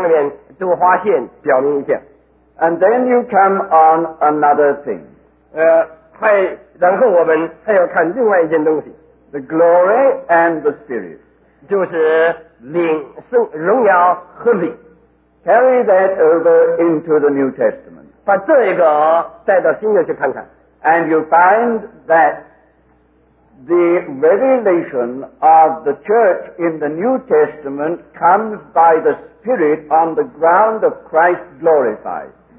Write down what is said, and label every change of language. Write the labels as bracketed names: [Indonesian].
[Chinese] 我盼望你们在这两个词句旁边多发现，表明一下。 [English] And then you come on another thing. [Chinese] 然后我们还要看另外一件东西。 [English] The glory and the spirit. [Chinese] 就是灵，是荣耀和灵。 [English] Carry that over into the New Testament. [Chinese] 把这个带到新约去看看。 [English] And you find that the revelation of the church in the New Testament comes by the Spirit on the ground of Christ glorified.